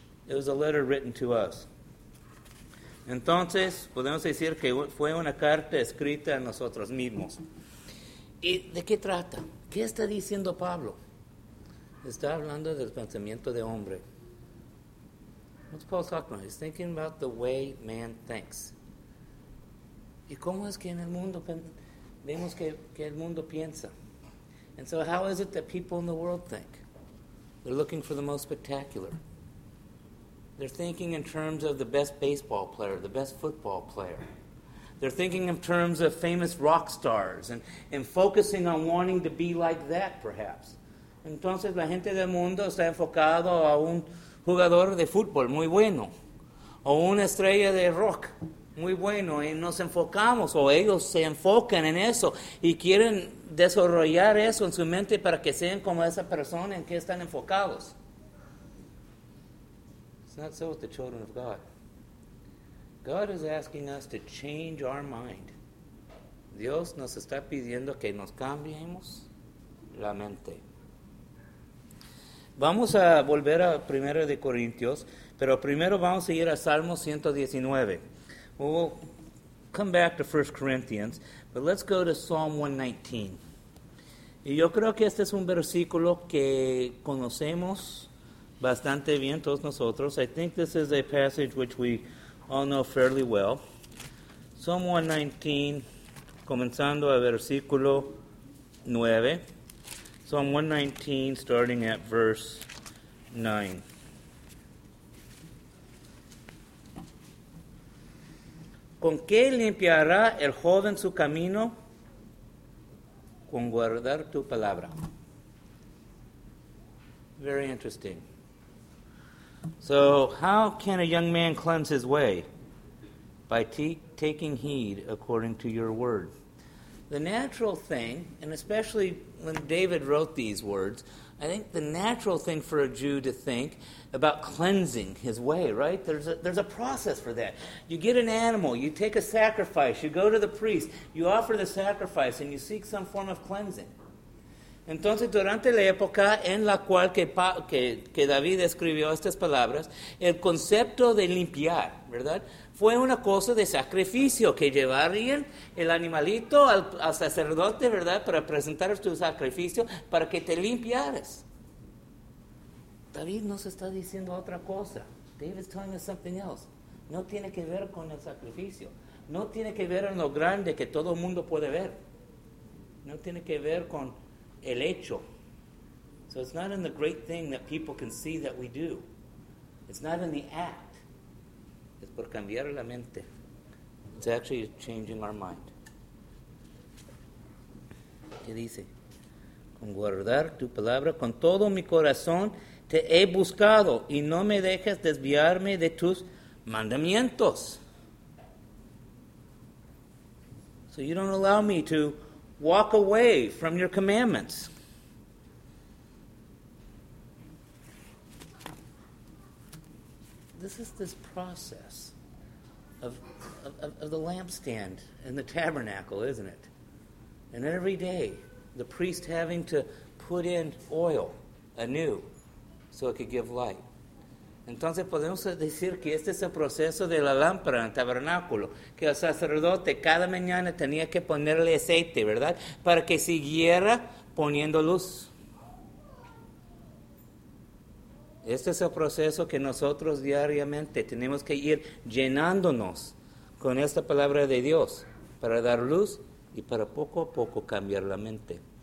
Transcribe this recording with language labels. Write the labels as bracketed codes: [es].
[en] It was a letter written to us. [es] Entonces, podemos decir que fue una carta escrita a nosotros mismos. ¿Y de qué trata? ¿Qué está diciendo Pablo? Está hablando del pensamiento de hombre. [en] What's Paul talking about? He's thinking about the way man thinks. [es] ¿Y cómo es que en el mundo vemos que el mundo piensa? [en] And so how is it that people in the world think? They're looking for the most spectacular. They're thinking in terms of the best baseball player, the best football player. They're thinking in terms of famous rock stars and focusing on wanting to be like that, perhaps. [es] Entonces, la gente del mundo está enfocado a un jugador de fútbol muy bueno o una estrella de rock muy bueno. Y nos enfocamos, o ellos se enfocan en eso y quieren desarrollar eso en su mente para que sean como esa persona en que están enfocados. [en] It's not so with the children of God. God is asking us to change our mind. [es] Dios nos está pidiendo que nos cambiemos la mente. Vamos a volver a 1 de Corintios, pero primero vamos a ir a Salmo 119. [en] We'll come back to 1 Corinthians, but let's go to Psalm 119. [es] Y yo creo que este es un versículo que conocemos bastante bien todos nosotros. [en] I think this is a passage which we all know fairly well. [es] Psalm 119, comenzando a versículo 9. [en] Psalm 119, starting at verse 9. [es] ¿Con qué limpiará el joven su camino? Con guardar tu palabra. [en] Very interesting. So, how can a young man cleanse his way? By taking heed according to your word. The natural thing, and especially when David wrote these words, I think the natural thing for a Jew to think about cleansing his way, right? There's a process for that. You get an animal, you take a sacrifice, you go to the priest, you offer the sacrifice, and you seek some form of cleansing. [es] Entonces, durante la época en la cual que David escribió estas palabras, el concepto de limpiar, ¿verdad? Fue una cosa de sacrificio, que llevarían el animalito al sacerdote, ¿verdad? Para presentar tu sacrificio, para que te limpiaras. David nos está diciendo otra cosa. David está diciendo [en] something else. [es] No tiene que ver con el sacrificio. No tiene que ver en lo grande que todo el mundo puede ver. No tiene que ver con el hecho. [en] So it's not in the great thing that people can see that we do. It's not in the act. [es] Es por cambiar la mente. [en] It's actually changing our mind. [es] ¿Qué dice? Con guardar tu palabra, con todo mi corazón te he buscado y no me dejes desviarme de tus mandamientos. [en] So you don't allow me to walk away from your commandments. This is this process of the lampstand and the tabernacle, isn't it? And every day, the priest having to put in oil anew so it could give light. [es] Entonces podemos decir que este es el proceso de la lámpara en el tabernáculo, que el sacerdote cada mañana tenía que ponerle aceite, ¿verdad? Para que siguiera poniendo luz. Este es el proceso que nosotros diariamente tenemos que ir llenándonos con esta palabra de Dios para dar luz y para poco a poco cambiar la mente.